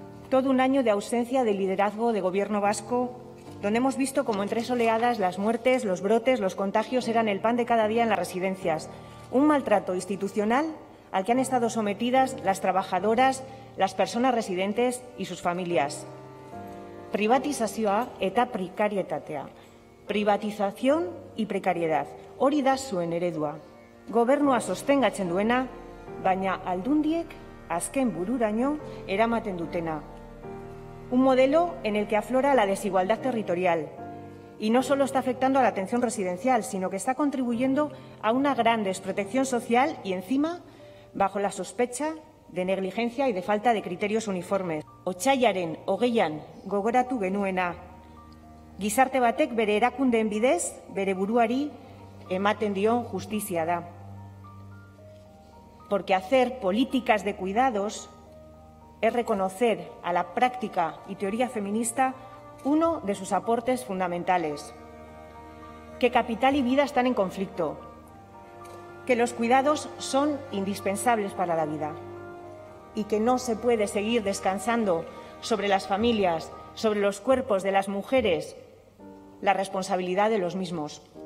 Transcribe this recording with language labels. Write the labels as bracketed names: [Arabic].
[Spanish] Todo un año de ausencia de liderazgo de Gobierno vasco, donde hemos visto cómo en tres oleadas las muertes, los brotes, los contagios eran el pan de cada día en las residencias. Un maltrato institucional al que han estado sometidas las trabajadoras, las personas residentes y sus familias. [Basque] Privatizazioa eta prekarietatea. [Spanish] Privatización y precariedad. [Basque] Hori da zuen eredua. Gobernua sostengatzen duena, baina aldundiek azken bururaino eramaten dutena. [Spanish] Un modelo en el que aflora la desigualdad territorial. Y no solo está afectando a la atención residencial, sino que está contribuyendo a una gran desprotección social y encima bajo la sospecha de negligencia y de falta de criterios uniformes. [Basque] Otsailaren 20an gogoratu genuena, gizarte batek bere erakundeen bidez, bere buruari ematen dion justizia da. [Spanish] Porque hacer políticas de cuidados es reconocer a la práctica y teoría feminista uno de sus aportes fundamentales. Que capital y vida están en conflicto. Que los cuidados son indispensables para la vida y que no se puede seguir descansando sobre las familias, sobre los cuerpos de las mujeres, la responsabilidad de los mismos.